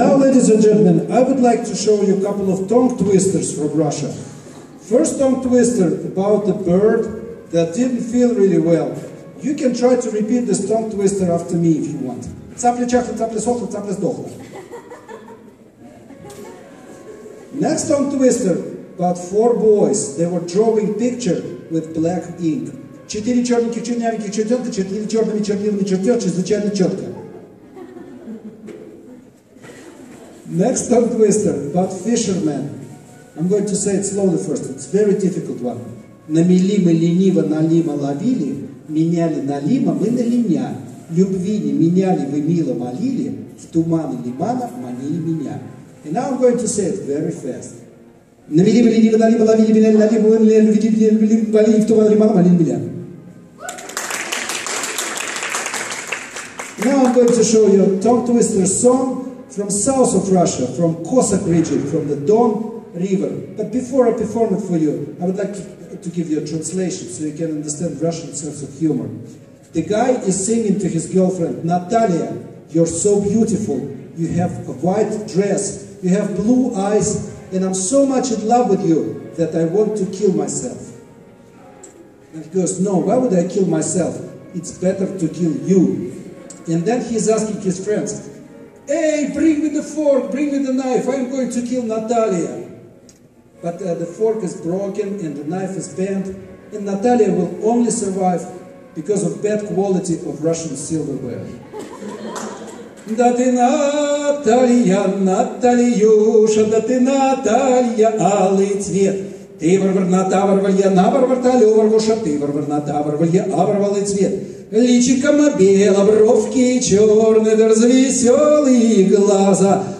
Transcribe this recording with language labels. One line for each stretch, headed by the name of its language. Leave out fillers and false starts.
English: I would like to show you a couple of tongue twisters from Russia. First tongue twister about a bird that didn't feel really well. You can try to repeat this tongue twister after me if you want.
Russian: Цапля чахла, цапля сохла, цапля сдохла.
English: Next tongue twister about four boys. They were drawing picture with black ink.
Russian: Четыре черненьких чернявеньких чертенка, четыре черными чернилами чертёв, чрезвычайно четко.
English: Next tongue twister about fishermen. I'm going to say it slowly first. It's a very difficult one.
Russian: На мели мы лениво на лима ловили, меняли на лима мы на линя. Любви не меняли вы мило молили, в туманы лимана манили меня.
English: And now I'm going to say it very fast.
Russian: На мели мы лениво на лима ловили, меняли на лима мы на линя. Любви не меняли вы мило ловили, в туманы лимана манили меня.
English: Now I'm going to show you a tongue twister song from south of Russia, from Cossack region, from the Don River. But before I perform it for you, I would like to give you a translation so you can understand Russian sense of humor. The guy is singing to his girlfriend, Natalia, you're so beautiful. You have a white dress, you have blue eyes, and I'm so much in love with you that I want to kill myself. And he goes, no, why would I kill myself? It's better to kill you. And then he's asking his friends, hey, bring me the fork, bring me the knife, I'm going to kill Natalia. But the fork is broken and the knife is bent, and Natalia will only survive because of bad quality of Russian silverware.
Russian: Да ты Наталья, Натальюша, да ты Наталья, алый цвет. Ты ворворна, та ворволья, на ворворталю ворвуша, ты ворворна, та ворволья, а ворвалый цвет. Личиком бело, бровки черные, да развеселые глаза,